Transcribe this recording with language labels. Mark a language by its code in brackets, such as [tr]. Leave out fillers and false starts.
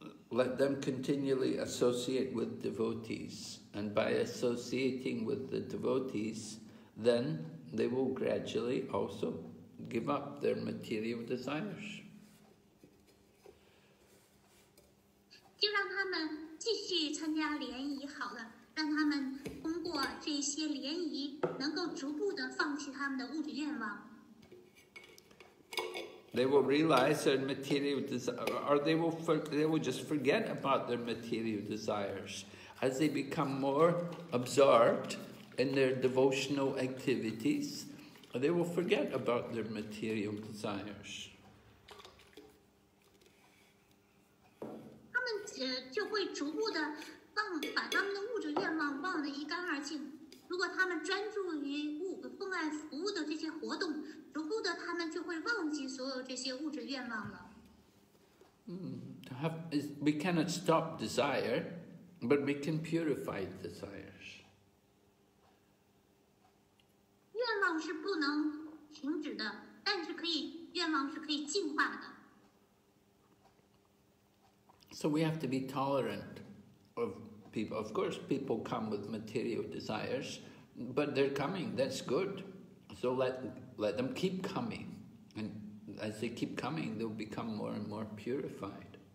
[en] Let them continually associate with devotees, and by associating with the devotees, then they will gradually also give up their material desires. [zh] 就让他们继续参加联谊好了，让他们通过这些联谊能够逐步的放弃他们的物质愿望。 [en] They will realize their material desires, or they will just forget about their material desires as they become more absorbed in their devotional activities. They will forget about their material desires. [zh] 就会逐步的忘，把他们的物质愿望忘得一干二净。如果他们专注于奉爱服务的这些活动，逐步的他们就会忘记所有这些物质愿望了。 [en] We cannot stop desire, but we can purify desires. [zh] 愿望是不能停止的，但是可以，愿望是可以净化的。 [en] So we have to be tolerant of people. Of course, people come with material desires, but they're coming. That's good. So let them keep coming. And as they keep coming, they'll become more and more purified.